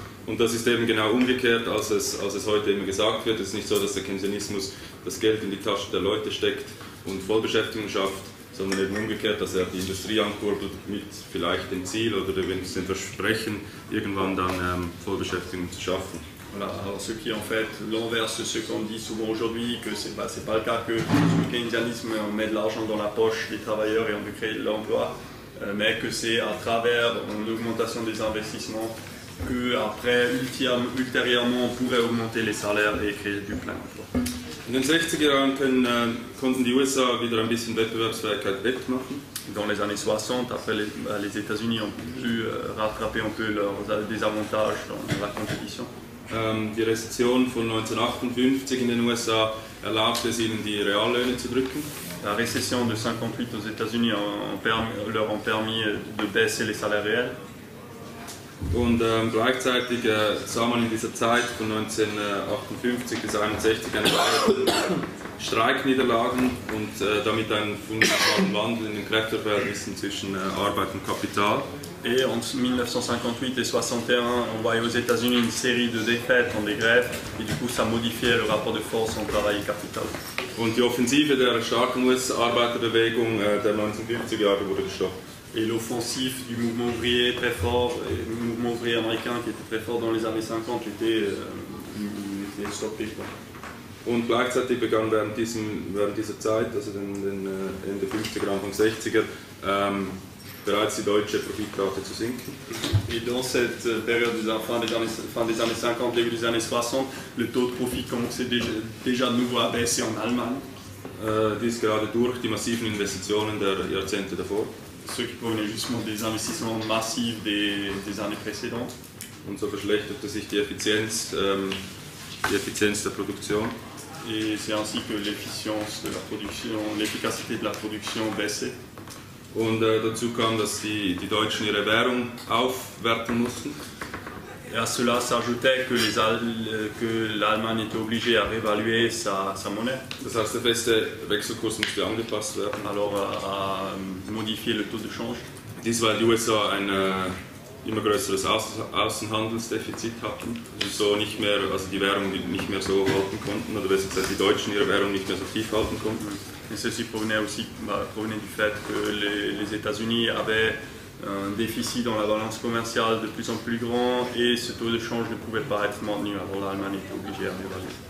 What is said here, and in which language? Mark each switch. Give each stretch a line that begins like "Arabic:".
German: Und das ist eben genau umgekehrt, als es heute immer gesagt wird. Es ist nicht so, dass der Keynesianismus das Geld in die Tasche der Leute steckt und Vollbeschäftigung schafft, sondern eben umgekehrt, dass er die Industrie ankurbelt mit vielleicht dem Ziel oder dem Versprechen, irgendwann dann Vollbeschäftigung zu schaffen.
French: Voilà, alors ce qui en fait l'inverse de ce qu'on dit souvent aujourd'hui, que c'est pas le cas que sous le Keynesianisme on met de l'argent dans la poche des travailleurs et on veut créer de l'emploi, mais que c'est à travers une augmentation des investissements que après ultérieurement on pourrait augmenter les salaires et créer du plein emploi.
German: In den 60er Jahren konnten die USA wieder ein bisschen Wettbewerbsfähigkeit wettmachen.
French: Dans les années 60, après les États-Unis ont pu rattraper un peu leurs désavantages dans la compétition.
German: Die Rezession von 1958 in den USA erlaubte es ihnen, die Reallöhne zu drücken.
French: La récession de 58 aux États-Unis leur ont permis de baisser les salaires réels.
German: Und gleichzeitig sah man in dieser Zeit von 1958 bis 1961 eine Reihe von Streikniederlagen und damit einen fundamentalen Wandel in den Kräfteverhältnissen zwischen Arbeit und Kapital.
French: Et entre 1958 et 61, on voyait aux États-Unis une série de défaites dans les grèves, et du coup ça modifiait le rapport de force entre travail et capital.
German: Und die Offensive der starken US-Arbeiterbewegung der 1950er Jahre wurde gestoppt.
French: Et l'offensive du mouvement ouvrier très fort, le mouvement ouvrier américain qui était très fort dans les années 50, était stoppé.
German: Und gleichzeitig begann während dieser Zeit, also den Ende 50er, Anfang 60er, bereits die deutsche Profitrate zu sinken.
French: Et dans cette période des fin des années 50, début des années 60, le taux de profit commençait déjà de nouveau à baisser en Allemagne.
German: Dies gerade durch die massiven Investitionen der Jahrzehnte davor.
French: Ce qui provenait justement des investissements massifs des années précédentes.
German: Und so verschlechterte sich die Effizienz der Produktion.
French: Et c'est ainsi que l'efficience de la production, l'efficacité de la production baissait.
German: Und dazu kam, dass die Deutschen ihre Währung aufwerten mussten.
French: Et à cela s'ajoutait que, que l'Allemagne était obligée à réévaluer sa monnaie.
German: Das heißt, der feste Wechselkurs musste angepasst werden.
French: Alors, à modifier le taux de change.
German: Dies, weil die USA ein immer größeres Außenhandelsdefizit hatten. So nicht mehr, also die Währung nicht mehr so halten konnten, oder besser gesagt, die Deutschen ihre Währung nicht mehr so tief halten konnten.
French: Et ceci provenait aussi du fait que les États-Unis avaient un déficit dans la balance commerciale de plus en plus grand et ce taux de change ne pouvait pas être maintenu, alors l'Allemagne était obligée à réévaluer.